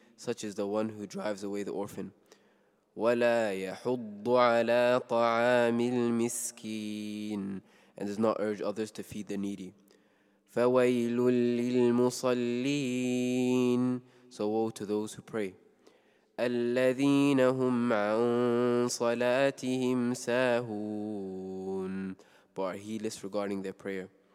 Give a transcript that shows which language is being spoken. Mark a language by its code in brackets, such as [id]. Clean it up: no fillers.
[en] Such is the one who drives away the orphan. [ar] وَلَا يَحُضُّ عَلَىٰ طَعَامِ الْمِسْكِينِ. [en] And does not urge others to feed the needy. [ar] فويل للمصلين. [en] So woe to those who pray. [ar] الذين هم عن صلاتهم ساهون. [en] But he lists regarding their prayer.